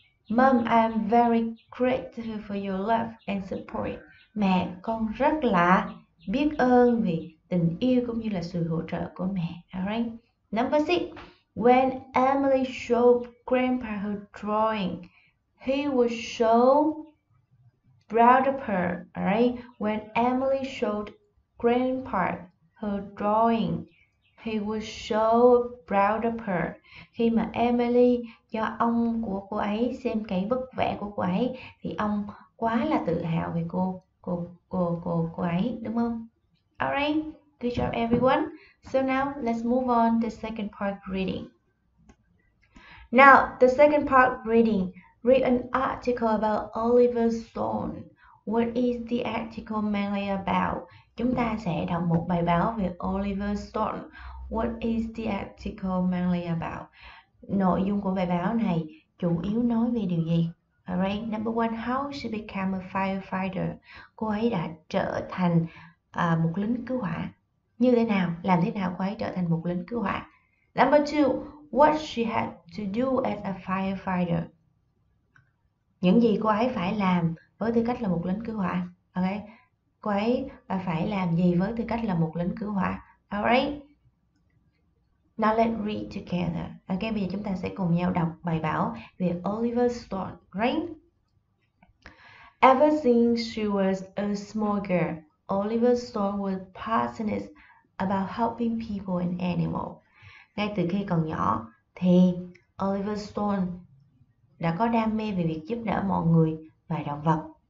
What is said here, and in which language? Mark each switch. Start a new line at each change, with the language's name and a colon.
English: Mom, I am very grateful for your love and support.
Vietnamese: Mẹ, con rất là biết ơn vì tình yêu cũng như là sự hỗ trợ của mẹ, alright?
English: Number six. When Emily showed Grandpa her drawing, he was so proud of her. Alright. When Emily showed Grandpa her drawing, He was so proud of her.
Vietnamese: Khi mà Emily cho ông của cô ấy xem cái bức vẽ của cô ấy thì ông quá là tự hào về cô ấy, đúng không?
English: Alright, good job everyone. So now let's move on to the second part reading. Now, the second part reading. Read an article about Oliver Stone. What is the article mainly about?
Vietnamese: Chúng ta sẽ đọc một bài báo về Oliver Stone.
English: What is the article mainly about?
Vietnamese: Nội dung của bài báo này chủ yếu nói về điều gì?
English: Alright, number one, how she became a firefighter?
Vietnamese: Cô ấy đã trở thành một lính cứu hỏa như thế nào? Làm thế nào cô ấy trở thành một lính cứu hỏa?
English: Number two, what she had to do as a firefighter?
Vietnamese: Những gì cô ấy phải làm với tư cách là một lính cứu hỏa? Okay. Cô ấy phải làm gì với tư cách là một lính cứu hỏa? Alright.
English: Now let's read together.
Vietnamese: Okay, bây giờ chúng ta sẽ cùng nhau đọc bài báo về Oliver Stone, right?
English: Ever since she was a small girl, Oliver Stone was passionate about helping people and animals.
Vietnamese: Ngay từ khi còn nhỏ thì Oliver Stone đã có đam mê về việc giúp đỡ mọi người và động vật.